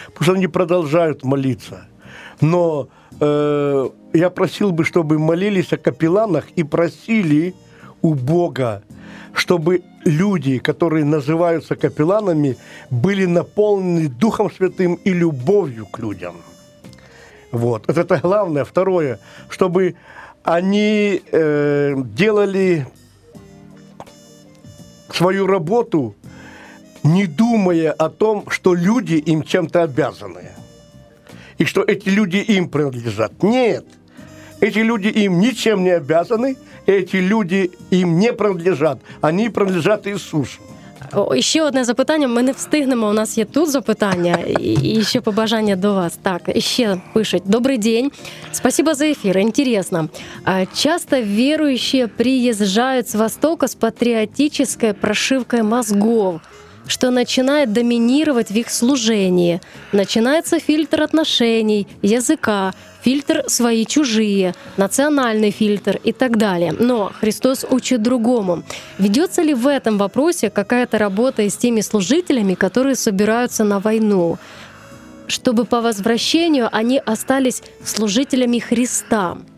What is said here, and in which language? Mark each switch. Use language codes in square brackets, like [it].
[uk] Бо вони продовжують молитися. Но я просив би, щоб молилися капелланах і просили у Бога, щоб люди, які називаються капелланами, були наповнені Духом Святим і любов'ю к людям. [ru] Вот. Это главное. Второе. [uk] Щоб вони [ru] делали свою работу, не думая о том, что люди им чем-то обязаны. И что эти люди им принадлежат. Нет. Эти люди им ничем не обязаны. Эти люди им не принадлежат. Они принадлежат Иисусу. [uk] Ще одне запитання. Ми не встигнемо. У нас є тут запитання. І ще побажання до вас. Так, ще пишуть. Добрий день. Спасибо за ефір. Інтересно. Часто віруючі приїжджають з Востока з патріотичною прошивкою мозгов, що починає домінувати в їх служенні. Починається фільтр отношений, язика, фільтр свої-чужі, національний фільтр і так далі. Но Христос учить другому. [ru] Ведеться ли в этом вопросе какая-то работа [uk] з тими [ru] служителями, которые собираются на войну, чтобы по возвращению они остались служителями Христа?